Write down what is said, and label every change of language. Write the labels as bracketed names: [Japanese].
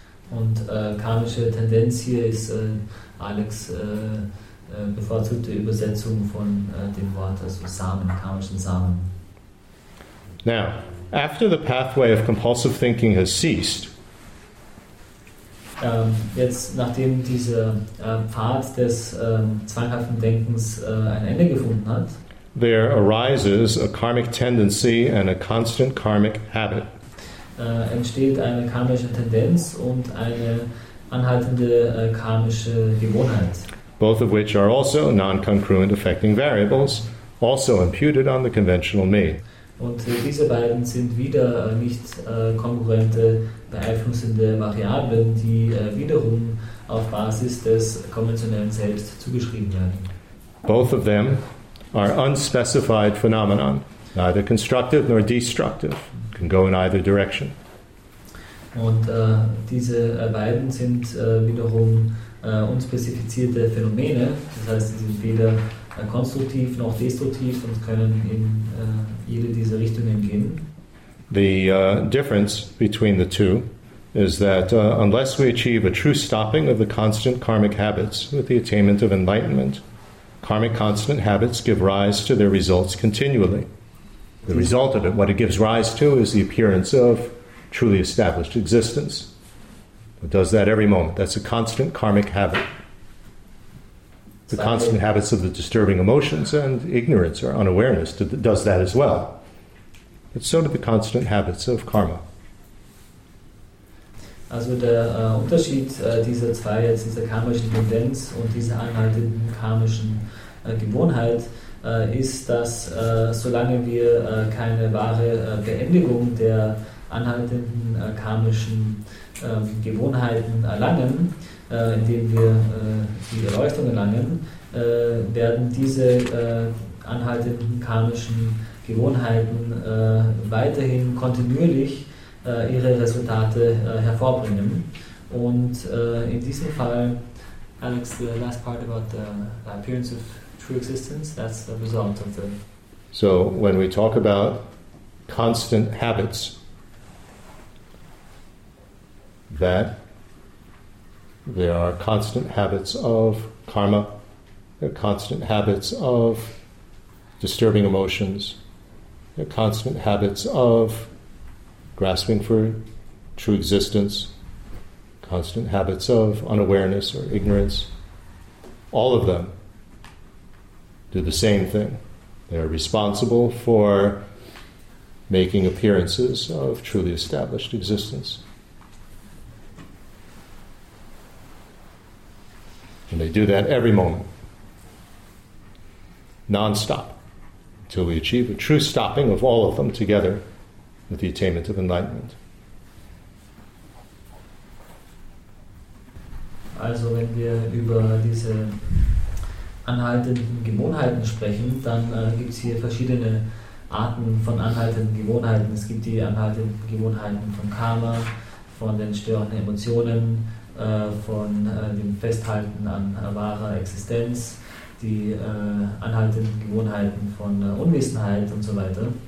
[German] Und karmische Tendenz hier ist Alex bevorzugte Übersetzung von dem Wort, also Samen, karmischen Samen. [English] Now, after the pathway of compulsive thinking has ceased, [German] jetzt, nachdem dieser Pfad des zwanghaften Denkens ein Ende gefunden hat, [English] there arises a karmic tendency and a constant karmic habit. [German] Entsteht eine karmische Tendenz und eine anhaltende karmische Gewohnheit. [English] Both of which are also non-congruent affecting variables, also imputed on the conventional me. [German] Und diese beiden sind wieder nicht kongruente beeinflussende Variablen, die wiederum auf Basis des konventionellen Selbst zugeschrieben werden. [English] Both of them are unspecified phenomena, neither constructive nor destructive. Can go in either direction. [German] Und diese beiden sind wiederum unspezifizierte Phänomene, das heißt, sie sind weder konstruktiv noch destruktiv und können in jede dieser Richtungen gehen. [English] The difference between the two is that unless we achieve a true stopping of the constant karmic habits with the attainment of enlightenment, karmic constant habits give rise to their results continually. The result of it, what it gives rise to, is the appearance of truly established existence. It does that every moment. That's a constant karmic habit. The constant habits of the disturbing emotions and ignorance or unawareness does that as well. But so do the constant habits of karma. [German] Also der Unterschied dieser zwei, jetzt dieser karmischen Tendenz und dieser anhaltenden karmischen Gewohnheit, ist, dass solange wir keine wahre Beendigung der anhaltenden karmischen Gewohnheiten erlangen, indem wir die Erleuchtung erlangen, werden diese anhaltenden karmischen Gewohnheiten weiterhin kontinuierlich ihre Resultate hervorbringen. Und in diesem Fall, [English] Alex, the last part about the appearance of existence, that's the result of them. So when we talk about constant habits that there are constant habits of karma, there are constant habits of disturbing emotions, there are constant habits of grasping for true existence, constant habits of unawareness or ignorance, all of them do the same thing. They are responsible for making appearances of truly established existence. And they do that every moment. non-stop until we achieve a true stopping of all of them together with the attainment of enlightenment. [German] Also wenn wir über diese anhaltenden Gewohnheiten sprechen, dann gibt es hier verschiedene Arten von anhaltenden Gewohnheiten. Es gibt die anhaltenden Gewohnheiten von Karma, von den störenden Emotionen, von dem Festhalten an wahrer Existenz, die anhaltenden Gewohnheiten von Unwissenheit und so weiter.